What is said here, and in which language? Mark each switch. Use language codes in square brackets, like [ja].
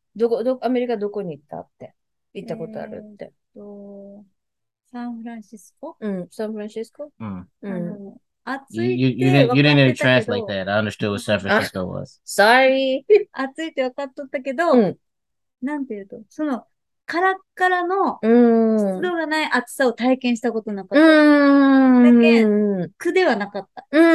[ja] どこ、どこ、アメリカどこに行ったって。行ったことあるって。サンフランシスコ? サンフランシスコ? [en] You didn't translate that. I understood what San Francisco was. [ja] Sorry。暑いって分かっとったけど、なんていうと、そのカラッカラの湿度がない暑さを体験したことなかった。だけど、苦ではなかった。